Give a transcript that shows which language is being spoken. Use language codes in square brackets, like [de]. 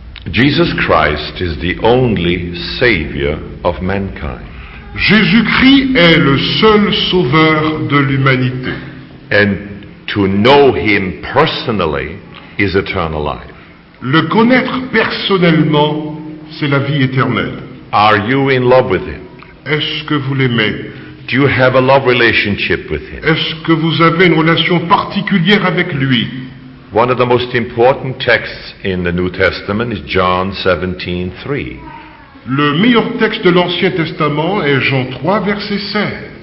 [en] Jesus Christ is the only savior of mankind. [fr] Jésus-Christ est le seul sauveur de l'humanité. [en] And to know him personally is eternal life. [fr] Le connaître personnellement, c'est la vie éternelle. [en] Are you in love with him? [fr] Est-ce que vous l'aimez? [en] Do you have a love relationship with him? [fr] Est-ce que vous avez une relation particulière avec lui? [en] One of the most important texts in the New Testament is John 17:3. [fr] Le meilleur texte de l'Ancien Testament est Jean 3, verset 16.